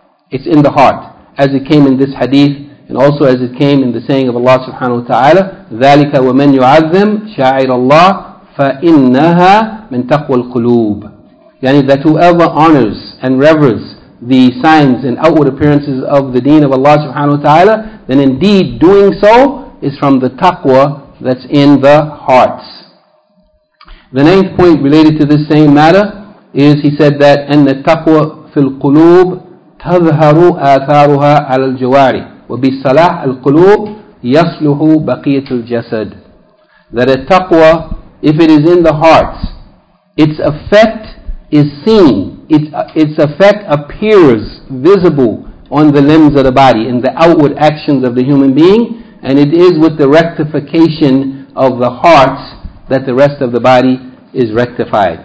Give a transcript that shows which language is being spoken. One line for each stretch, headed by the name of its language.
English: It's in the heart, as it came in this hadith, and also as it came in the saying of Allah subhanahu wa ta'ala,
Arabic: ذَلِكَ وَمَنْ يُعَذِّمْ شَاعِرَ اللَّهِ فَإِنَّهَا مِنْ تَقْوَى الْقُلُوبِ.
English: Yani that whoever honors and reveres the signs and outward appearances of the deen of Allah subhanahu wa ta'ala, then indeed doing so is from the taqwa that's in the hearts. The 9th point related to this same matter is, he said that,
Arabic: أَنَّ التَّقْوَى فِي الْقُلُوبِ تَظْهَرُ آثَارُهَا عَلَى الْجُوَارِ وبالصلاح القلوب يصلح بقية الجسد.
English: That a taqwa, if it is in the hearts, its effect is seen, its effect appears visible on the limbs of the body, in the outward actions of the human being, and it is with the rectification of the hearts that the rest of the body is rectified.